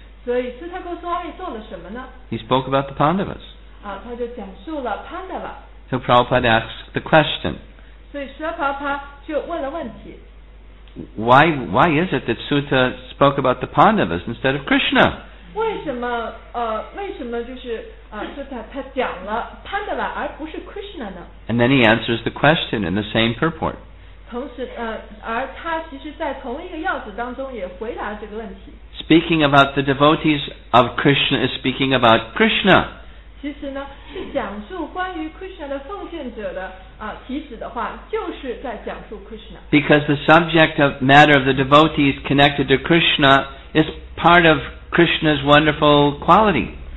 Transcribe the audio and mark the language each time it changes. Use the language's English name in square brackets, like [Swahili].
[Chinese] 所以斯塔克苏阿米做了什么呢 [English] ？He spoke about the Pandavas. [Chinese] 他就讲述了 Pandava. [English] So Prabhupada asked the question. [Chinese] 所以释迦牟尼就问了问题。 [English] Why is it that Sutta spoke about the Pandavas instead of Krishna? [Chinese] 为什么就是Sutta 他讲了 Pandava 而不是 Krishna 呢 [English] ？And then he answers the question in the same purport. [Chinese] 同时而他其实在同一个要旨当中也回答这个问题。 [English] Speaking about the devotees of Krishna is speaking about Krishna. [Chinese] 其实呢，是讲述关于 Krishna 的奉献者的题旨的话，就是在讲述 Krishna. [English] Because the subject of matter of the devotees connected to Krishna is part of Krishna's wonderful quality.